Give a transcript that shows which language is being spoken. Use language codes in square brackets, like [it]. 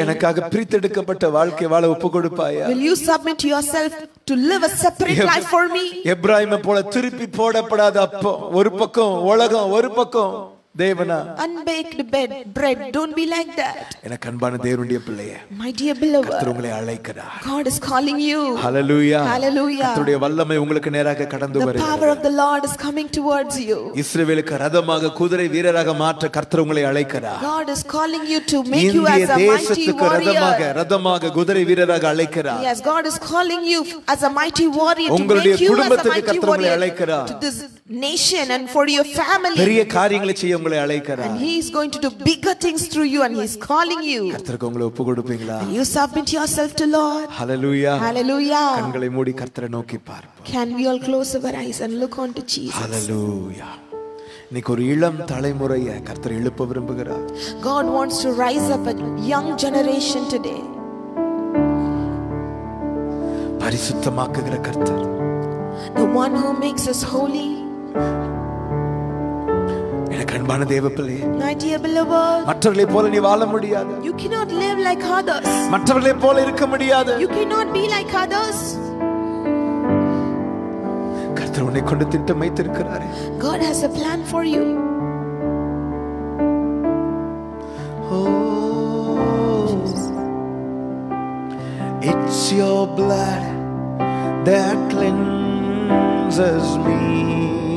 [ta] எனக்காக பிரித்தெடுக்கப்பட்ட வாழ்க்கை வாழ ஒப்புக்கொடுப்பாயா? [en] Will you submit yourself to live a separate life for me? [ta] எப்ராயீம் போல திருப்பி போடப்படாத அப்போ ஒரு பக்கம் உலகம் ஒரு பக்கம் தேவனா. [en] Unbaked bread, bread, don't be like that. [ta] என கண்பான தேவனுடைய பிள்ளையே, [en] my dear beloved, [ta] கர்த்தர் உங்களை அழைக்கிறார். [en] God is calling you. Hallelujah. Hallelujah. [ta] கர்த்தருடைய வல்லமை உங்களுக்கு நேராக கடந்து வருகிறது. [en] The power of the Lord is coming towards you. [ta] இஸ்ரவேலுக்கு ரதமாக குதிரை வீரராக மாற்ற கர்த்தர் உங்களை அழைக்கிறார். [en] God is calling you to make you as a mighty warrior. [ta] தேசத்துக்கு ரதமாக ரதமாக குதிரை வீரராக அழைக்கிறார். [en] Yes, God is calling you as a mighty warrior. [ta] உங்களுடைய குடும்பத்துக்கு கர்த்தர் உங்களை அழைக்கிறார். [en] To this nation and for your family. [ta] பெரிய காரியங்களை செய்ய உங்களை அழைக்கிறார். [en] And he is going to do bigger things through you and he is calling you. [ta] கர்த்தருக்கு உங்களை ஒப்பு கொடுப்பீங்களா? [en] You submit yourself to Lord. Hallelujah. Hallelujah. [ta] கண்களை மூடி கர்த்தரை நோக்கி பார்ப்போம். [en] Can we all close our eyes and look on to Jesus? Hallelujah. [ta] இன்னைக்கு ஒரு இளம் தலைமுறையை கர்த்தர் எழுப்ப விரும்புகிறார். [en] God wants to rise up a young generation today. [ta] பரிசுத்தமாக்குகிற கர்த்தர். [en] The one who makes us holy. [ta] கண்பான தேவப்பிள்ளையே, [en] my dear beloved, [ta] மற்றவர்களைப் போல நீ வாழ முடியாது. [en] You cannot live like others. [ta] மற்றவர்களைப் போல இருக்க முடியாது. [en] You cannot be like others. [ta] கர்த்தர் உன்னை கொண்டு திட்டம் வைத்திருக்கிறார். [en] God has a plan for you. Oh, it's your blood that cleanses me.